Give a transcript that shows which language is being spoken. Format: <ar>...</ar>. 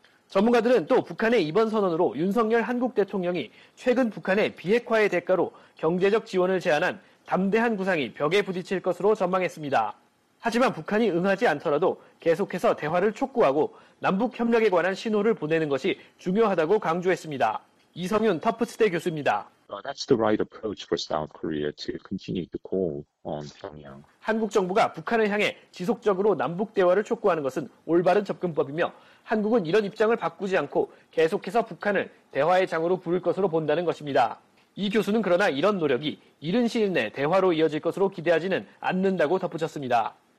<ko>전문가들은 또 북한의 이번 선언으로 윤석열 한국 대통령이 최근 북한의 비핵화의 대가로 경제적 지원을 제안한 담대한 구상이 벽에 부딪힐 것으로 전망했습니다. 하지만 북한이 응하지 않더라도 계속해서 대화를 촉구하고 남북협력에 관한 신호를 보내는 것이 중요하다고 강조했습니다. 이성윤 터프스대 교수입니다.</ko> <en>That's the right approach for South Korea to continue to call on Pyongyang.</en> <ko>한국 정부가 북한을 향해 지속적으로 남북 대화를 촉구하는 것은 올바른 접근법이며 한국은 이런 입장을 바꾸지 않고 계속해서 북한을 대화의 장으로 부를 것으로 본다는 것입니다. 이 교수는 그러나 이런 노력이 이른 시일 내 대화로 이어질 것으로 기대하지는 않는다고 덧붙였습니다.</ko>